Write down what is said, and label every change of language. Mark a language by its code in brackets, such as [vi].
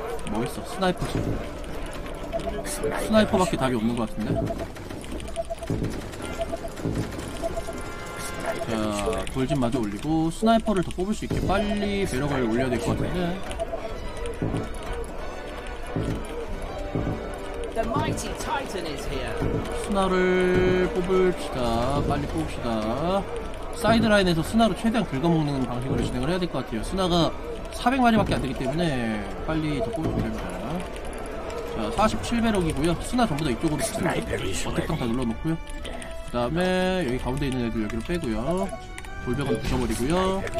[ko] 뭐 있어? 스나이퍼. 스나이퍼밖에 답이 없는 것 같은데? 자, 돌진 마저 올리고 스나이퍼를 더 뽑을 수 있게 빨리 배럭을 올려야 될 것 같은데. [en] The mighty titan is here. [ko] 스나를 뽑읍시다. 빨리 뽑읍시다. 사이드라인에서 스나를 최대한 긁어먹는 방식으로 진행을 해야 될 것 같아요. 스나가 400마리밖에 안 되기 때문에 빨리 더 뽑으면 됩니다. 자, 47배럭이고요. 스나 전부 다 이쪽으로 어택당 다 눌러놓고요. 그 다음에 여기 가운데 있는 애들 여기로 빼고요. 돌벽은 부셔버리고요.